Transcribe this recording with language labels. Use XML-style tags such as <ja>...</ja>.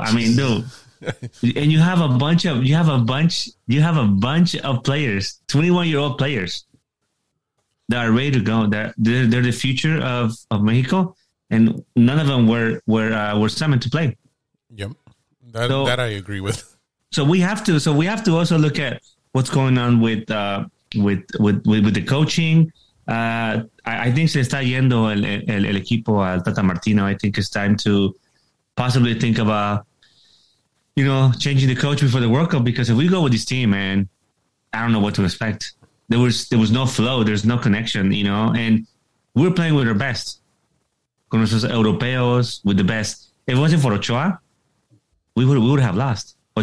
<en>I mean, dude. And you have a bunch of players, 21-year-old players that are ready to go. They're the future of Mexico, and none of them were summoned to play. Yep. That I agree with. So we have to also look at what's going on with the coaching. I think</en> <es>se está yendo el equipo al Tata Martino.</es> <en>I think it's time to possibly think about, you know, changing the coach before the World Cup, because if we go with this team, man, I don't know what to expect. There was no flow. There's no connection, you know, and we're playing with our best.</en> <es>Con nuestros europeos,</es> <en>with the best. If it wasn't for Ochoa, we would have lost.</en>